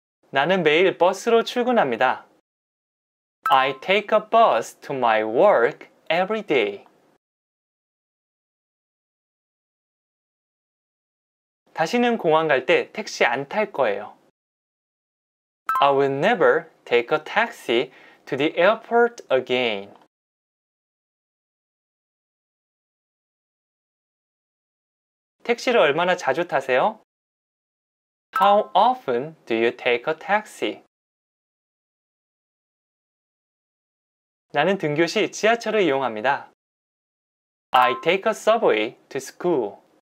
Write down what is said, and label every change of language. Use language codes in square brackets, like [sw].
[ko] 나는 매일 버스로 출근합니다. [en] I take a bus to my work every day. [ko] 다시는 공항 갈 때 택시 안 탈 거예요. [en] I will never take a taxi to the airport again. [ko] 택시를 얼마나 자주 타세요? [en] How often do you take a taxi? [ko] 나는 등교 시 지하철을 이용합니다. [en] I take a subway to school.